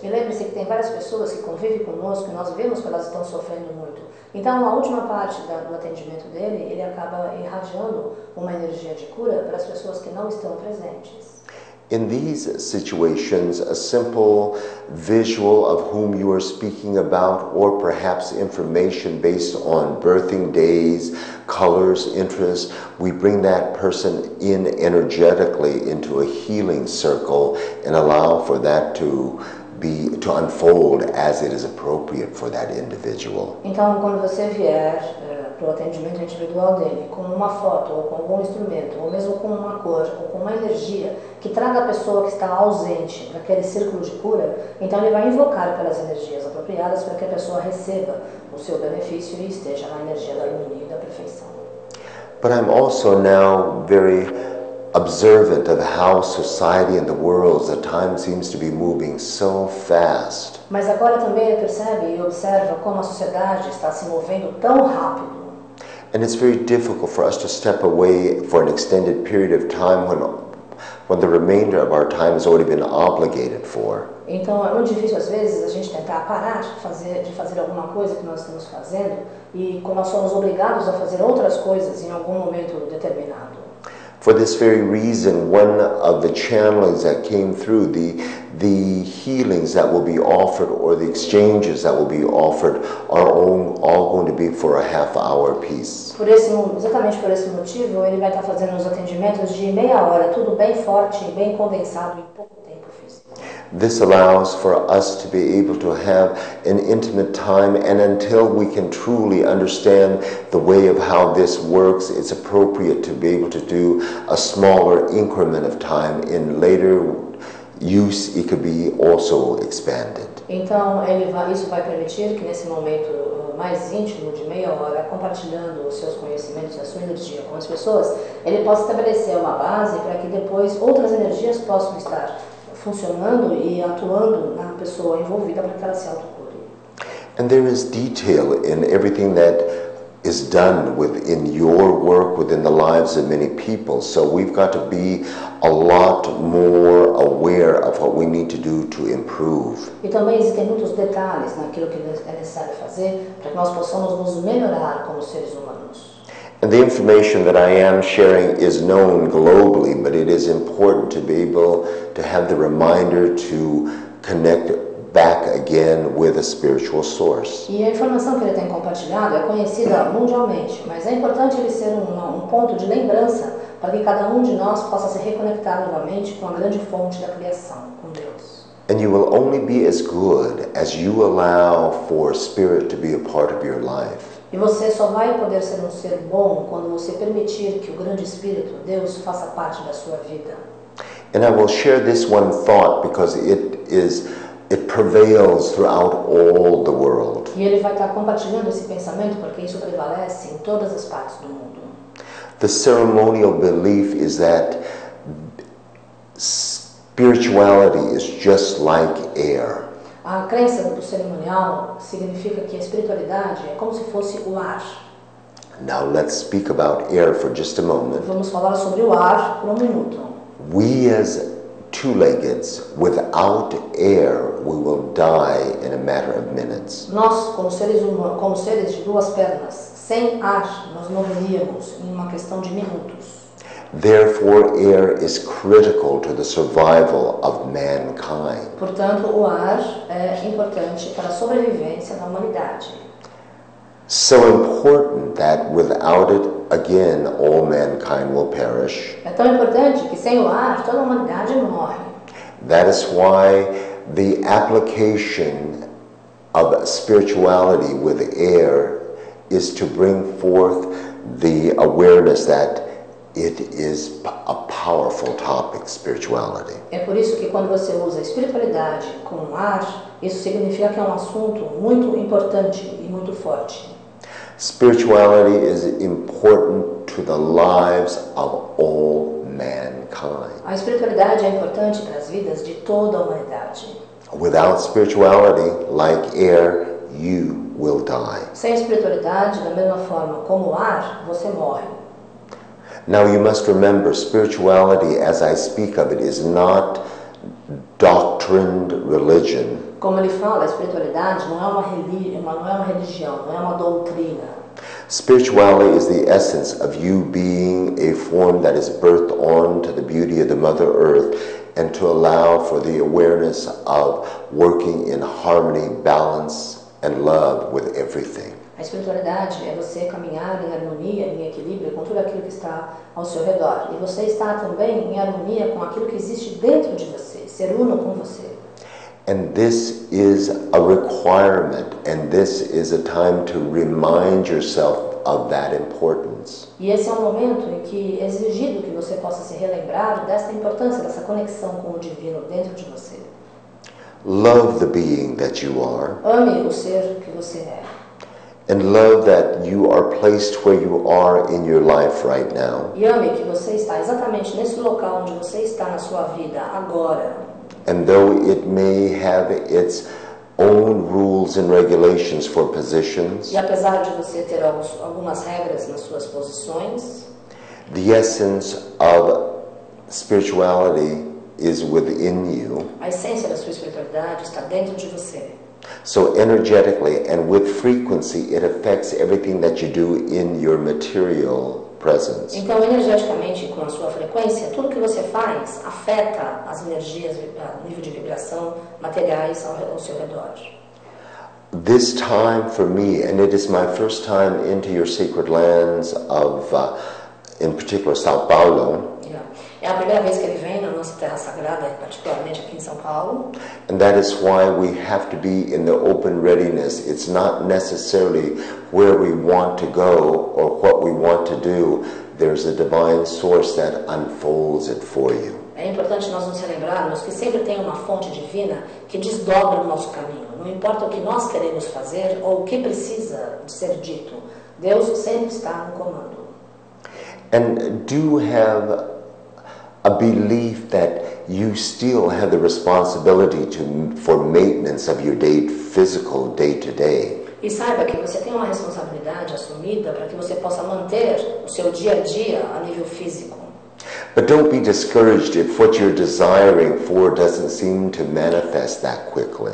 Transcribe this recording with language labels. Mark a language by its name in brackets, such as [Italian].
[Portuguese] E lembre-se que tem várias pessoas que convivem conosco e nós vemos que elas estão sofrendo muito. Então, a última parte do atendimento dele, ele acaba irradiando uma energia de cura para as pessoas que não estão presentes. [English] In these situations, a simple visual of whom you are speaking about, or perhaps information based on birthing days, colors, interests, we bring that person in energetically into a healing circle and allow for that to unfold as it is appropriate for that individual. [Portuguese] Então, quando você vier para o atendimento individual dele, com uma foto, ou com algum instrumento, ou mesmo com uma cor, ou com uma energia, que traga a pessoa que está ausente naquele círculo de cura, então ele vai invocar pelas energias apropriadas para que a pessoa receba o seu benefício e esteja na energia da harmonia e da perfeição. [English] But I'm also now very observant of how society and the world, the time seems to be moving so fast. [Portuguese] Mas agora também ele percebe e observa como a sociedade está se movendo tão rápido. [English] And it's very difficult for us to step away for an extended period of time when the remainder of our time has already been obligated for. [Portuguese] Então é muito difícil às vezes a gente tentar parar de fazer alguma coisa que nós estamos fazendo e como nós somos obrigados a fazer outras coisas em algum momento determinado. [English] For this very reason, one of the channelings that came through, the healings that will be offered or the exchanges that will be offered are all going to be for a half hour piece. [Portuguese] Exatamente por esse motivo, ele vai estar fazendo os atendimentos de meia hora, tudo bem forte, bem condensado em pouco tempo físico. [English] This allows for us to be able to have an intimate time, and until we can truly understand the way of how this works, it's appropriate to be able to do a smaller increment of time in later use, it could be also expanded. [Portuguese] Então, isso vai permitir que nesse momento mais íntimo de meia hora, compartilhando os seus conhecimentos e a sua energia com as pessoas, ele possa estabelecer uma base para que depois outras energias possam estar funcionando e atuando na pessoa envolvida para que ela se autocure. [English] And there is detail in everything that is done within your work, within the lives of many people. So we've got to be a lot more aware of what we need to do to improve. [Portuguese] E também existem muitos detalhes naquilo que é necessário fazer para que nós possamos nos melhorar como seres humanos. [English] And the information that I am sharing is known globally, but it is important to be able to have the reminder to connect back again with a spiritual source. [Portuguese] E a informação que ele tem compartilhado é conhecida mundialmente, mas é importante ele ser um ponto de lembrança para que cada de nós possa se reconectar novamente com a grande fonte da criação, com Deus. [English] And you will only be as good as you allow for spirit to be a part of your life. [Portuguese] E você só vai poder ser ser bom quando você permitir que o grande espírito, Deus, faça parte da sua vida. [English] And I will share this one thought because it prevails throughout all the world. [Portuguese] E ele vai estar compartilhando esse pensamento porque isso prevalece em todas as partes do mundo. [English] The ceremonial belief is that spirituality is just like air. [Portuguese] A crença do cerimonial significa que a espiritualidade é como se fosse o ar. [English] Now let's speak about air for just a moment. [Portuguese] Vamos falar sobre o ar por minuto. [English] We as two-leggeds, without air, we will die in a matter of minutes. [Portuguese] Nós, como seres de duas pernas, sem ar, nós morreríamos em uma questão de minutos. [English] Therefore, air is critical to the survival of mankind. [Portuguese] Portanto, o ar é importante para a sobrevivência da humanidade. [English] So important that without it, again, all mankind will perish. [Portuguese] É tão importante que sem o ar, toda a humanidade morre. [English] That is why the application of spirituality with air is to bring forth the awareness that it is a powerful topic, spirituality. [Portuguese] É por isso que quando você usa a espiritualidade com o ar, isso significa que é assunto muito importante e muito forte. [English] Spirituality is important to the lives of all mankind. [Portuguese] A espiritualidade é importante para as vidas de toda a humanidade. [English] Without spirituality, like air, you will die. [Portuguese] Sem espiritualidade, da mesma forma como o ar, você morre. [English] Now you must remember, spirituality, as I speak of it, is not doctrined religion. [Portuguese] Como ele fala, a espiritualidade não é uma religião, não é uma doutrina. [English] Spirituality is the essence of you being a form that is birthed on to the beauty of the Mother Earth and to allow for the awareness of working in harmony, balance, and love with everything. [Portuguese] A espiritualidade é você caminhar em harmonia, em equilíbrio com tudo aquilo que está ao seu redor. E você está também em harmonia com aquilo que existe dentro de você, ser uno com você. [English] And this is a requirement, and this is a time to remind yourself of that importance. [Portuguese] E esse um momento em que é exigido que você possa se relembrar dessa importância, dessa conexão com o divino dentro de você. [English] Love the being that you are. [Portuguese] Ame o ser que você é. [English] And love that you are placed where you are in your life right now. [Portuguese] E ame que você está exatamente nesse local onde você está na sua vida agora. [English] And though it may have its own rules and regulations for positions, [Portuguese] e apesar de você ter algumas regras nas suas posições, [English] the essence of spirituality is within you. [Portuguese] A essência da sua espiritualidade está dentro de você. [English] So energetically and with frequency, it affects everything that you do in your material presence. [Portuguese] Então, energeticamente, com a sua frequência, tudo que você faz afeta as energias, o nível de vibração materiais ao seu redor. [English] This time for me, and it is my first time into your sacred lands of, in particular, São Paulo. [Portuguese] É a primeira vez que ele vem na nossa terra sagrada, particularmente aqui em São Paulo. [English] And that is why we have to be in the open readiness. It's not necessarily where we want to go or what we want to do. There's a divine source that unfolds it for you. [Portuguese] É importante nós nos relembrarmos que sempre tem uma fonte divina que desdobra o nosso caminho. Não importa o que nós queremos fazer ou o que precisa ser dito. Deus sempre está no comando. [English] And do have a belief that you still have the responsibility for maintenance of your physical day-to-day. [Portuguese] E saiba que você tem uma responsabilidade assumida para que você possa manter o seu dia a dia a nível físico. [English] But don't be discouraged if what you're desiring for doesn't seem to manifest that quickly.